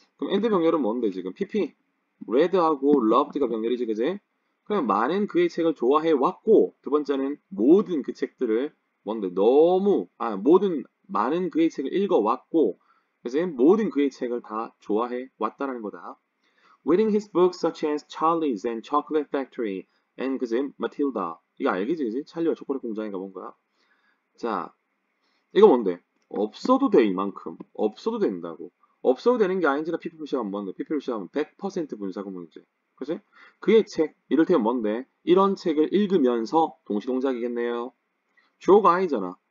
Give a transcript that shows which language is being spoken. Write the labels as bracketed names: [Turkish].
[Korean] 그럼 end 병렬은 뭔데, 지금? PP. read하고 loved가 병렬이지, 그지? 그냥 많은 그의 책을 좋아해 왔고, 두 번째는 모든 그 책들을, 뭔데, 너무, 아, 모든, 많은 그의 책을 읽어 왔고, 그래서 모든 그의 책을 다 좋아해 왔다라는 거다. [English] Reading his books such as Charlie's and Chocolate Factory and, [Korean] 그지, [English] Matilda. [Korean] 이거 알겠지, 그지? 찰리와 초콜릿 공장인가 뭔가. 자, 이거 뭔데? 없어도 돼, 이만큼. 없어도 된다고. 없어도 되는 게 ing나 PP 표시하면 뭔데? PP 표시하면 100% 분사구문이지. 그지? 그의 책, 이를테면 뭔데? 이런 책을 읽으면서 동시동작이겠네요. 주어가 I잖아.